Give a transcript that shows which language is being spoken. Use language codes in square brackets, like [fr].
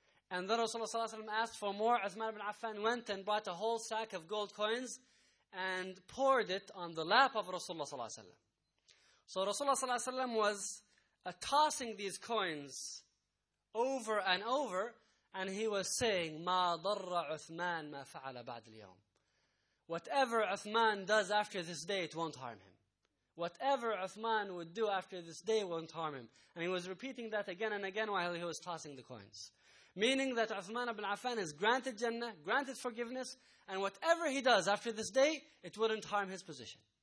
[en] And then Rasulullah sallallahu alayhi wa sallam asked for more. Uthman ibn Affan went and brought a whole sack of gold coins and poured it on the lap of Rasulullah sallallahu alayhi wa sallam. So Rasulullah sallallahu alayhi wa sallam was tossing these coins over and over. And he was saying, [ar] مَا ضَرَّ عُثْمَان مَا فَعَلَ بَعْدِ الْيَوْمِ. [en] Whatever Uthman does after this day, it won't harm him. Whatever Uthman would do after this day won't harm him. And he was repeating that again and again while he was tossing the coins. Meaning that Uthman ibn Affan is granted Jannah, granted forgiveness, and whatever he does after this day, it wouldn't harm his position.